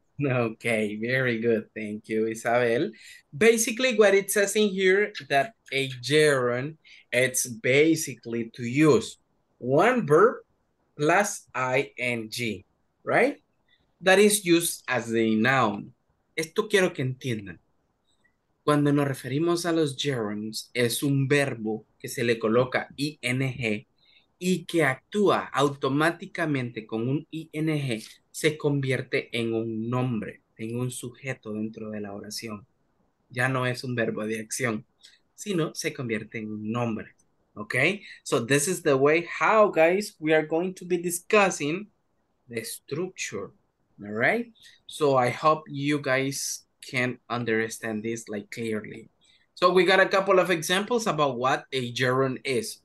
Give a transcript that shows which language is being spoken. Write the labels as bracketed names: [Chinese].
[English] Okay, very good. Thank you, Isabel. Basically, what it says in here that a gerund, it's basically to use one verb plus ing, right? That is used as a noun. [Spanish] Esto quiero que entiendan. Cuando nos referimos a los gerunds, es un verbo que se le coloca ing y que actúa automáticamente con un ing, se convierte en un nombre, en un sujeto dentro de la oración. Ya no es un verbo de acción, sino se convierte en un nombre. [English] Okay, so this is the way how, guys, we are going to be discussing the structure. All right. So I hope you guys can understand this like clearly. So we got a couple of examples about what a gerund is.